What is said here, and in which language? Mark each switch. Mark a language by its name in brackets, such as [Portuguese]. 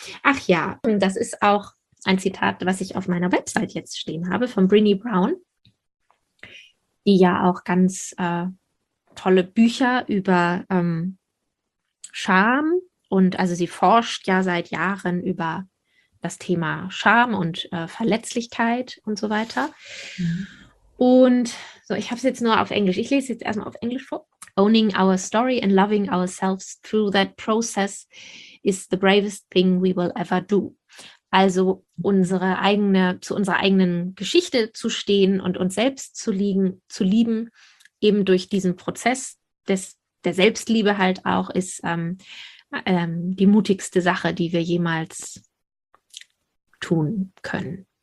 [German] Ach ja, das ist auch ein Zitat, was ich auf meiner Website jetzt stehen habe, von Brené Brown, die ja auch ganz tolle Bücher über Scham und also sie forscht ja seit Jahren über das Thema Scham und Verletzlichkeit und so weiter. Mhm. Und so, ich habe es jetzt nur auf Englisch. Ich lese jetzt erstmal auf Englisch vor. [English] Owning our story and loving ourselves through that process is the bravest thing we will ever do. [German] Also zu unserer eigenen Geschichte zu stehen und uns selbst zu lieben, eben durch diesen Prozess der Selbstliebe halt auch, ist die mutigste Sache, die wir jemals tun können.